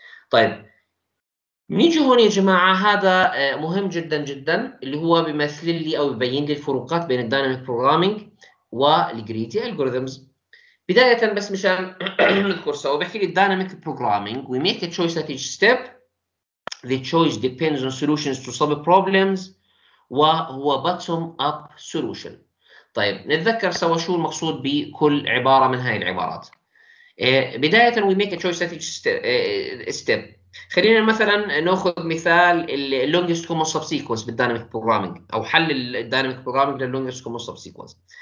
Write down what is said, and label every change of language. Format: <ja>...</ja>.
<ar>طيب نيجي هون يا جماعة، هذا مهم جدا جدا، اللي هو بيمثل لي أو بيبين لي الفروقات بين الدايناميك بروجرامينج والجريدي ألغوريثمز. بداية بس مشان نذكر سوا، بحكي لي الدايناميك بروجرامينج:</ar> <en>we make a choice at each step. The choice depends on solutions to sub-problems.</en> <ar>وهو</ar> <en>bottom-up solution.</en> <ar>طيب نتذكر سوا شو المقصود بكل عبارة من هاي العبارات. بداية</ar> <en>we make a choice at each step.</en> <ar>خلينا مثلا ناخذ مثال الـ longest common subsequence بالدايناميك بروجرامينج، أو حل الدايناميك بروجرامينج للـ longest common subsequence.</ar>